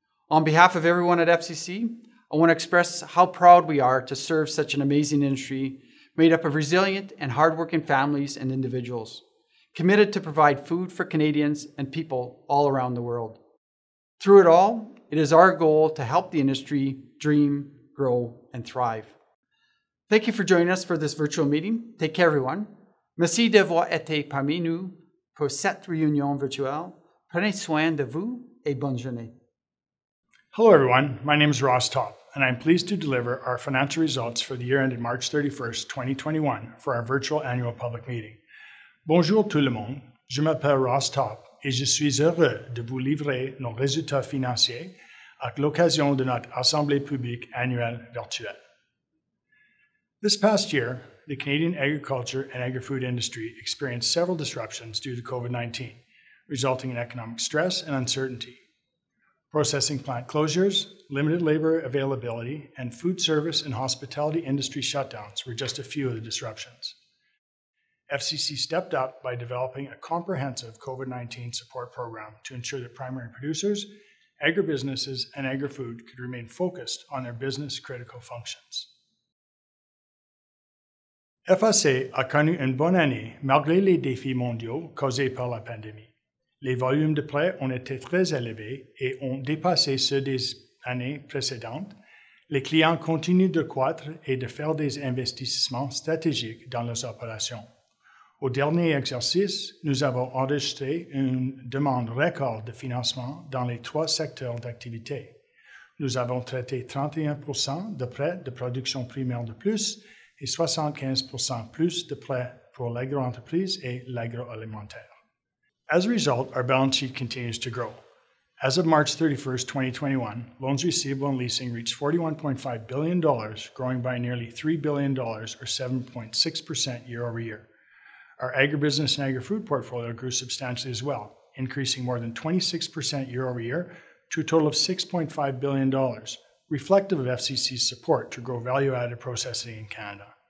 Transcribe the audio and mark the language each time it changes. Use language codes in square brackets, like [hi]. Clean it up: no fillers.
[en] On behalf of everyone at FCC, I want to express how proud we are to serve such an amazing industry made up of resilient and hardworking families and individuals. committed to provide food for Canadians and people all around the world. Through it all, it is our goal to help the industry dream, grow, and thrive. Thank you for joining us for this virtual meeting. Take care, everyone. [fr] Merci d'avoir été parmi nous pour cette réunion virtuelle. Prenez soin de vous et bonne journée. [en] Hello, everyone. My name is Ross Topp, and I'm pleased to deliver our financial results for the year ended March 31st, 2021, for our virtual annual public meeting. [fr] Bonjour tout le monde. Je m'appelle Ross Topp, et je suis heureux de vous livrer nos résultats financiers à l'occasion de notre Assemblée publique annuelle virtuelle. [en] This past year, the Canadian agriculture and agri-food industry experienced several disruptions due to COVID-19, resulting in economic stress and uncertainty. Processing plant closures, limited labor availability, and food service and hospitality industry shutdowns were just a few of the disruptions. FCC stepped up by developing a comprehensive COVID-19 support program to ensure that primary producers, agribusinesses, and agri-food could remain focused on their business-critical functions. [fr] FAC a connu une bonne année malgré les défis mondiaux causés par la pandémie. Les volumes de prêts ont été très élevés et ont dépassé ceux des années précédentes. Les clients continuent de croître et de faire des investissements stratégiques dans leurs opérations. Au dernier exercice, nous avons enregistré une demande record de financement dans les trois secteurs d'activité. Nous avons traité 31% de prêts de production primaire de plus et 75% plus de prêts pour l'agro-entreprise et l'agroalimentaire. [en] As a result, our balance sheet continues to grow. As of March 31, 2021, loans receivable and leasing reached $41.5 billion, growing by nearly $3 billion or 7.6% year over year. Our agribusiness and agri-food portfolio grew substantially as well, increasing more than 26% year over year to a total of $6.5 billion, reflective of FCC's support to grow value-added processing in Canada.